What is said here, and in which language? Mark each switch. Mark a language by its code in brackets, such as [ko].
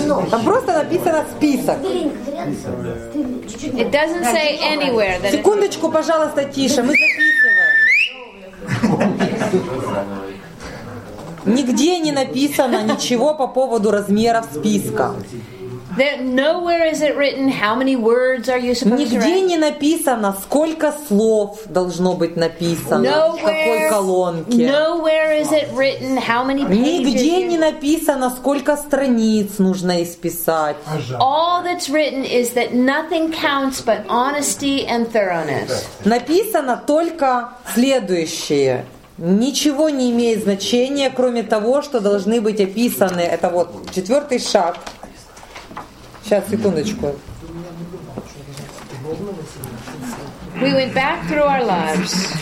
[ru] Там просто написано список. [en] It doesn't say anywhere that. [ru] Секундочку, пожалуйста, тише. Мы записываем. Нигде не написано ничего по поводу размеров списка. [en] Nowhere is it written how many words are you supposed to write. [ru] Нигде не написано, сколько слов должно быть написано в какой колонке. [en] Nowhere is it written how many pages. [ru] Нигде не написано, сколько страниц нужно исписать. [en] All that's written is that nothing counts but honesty and thoroughness. [ru] Написано только следующее. Ничего не имеет значения, кроме того, что должны быть описаны. Это вот четвертый шаг. Сейчас, секундочку. [en] We went back through our lives.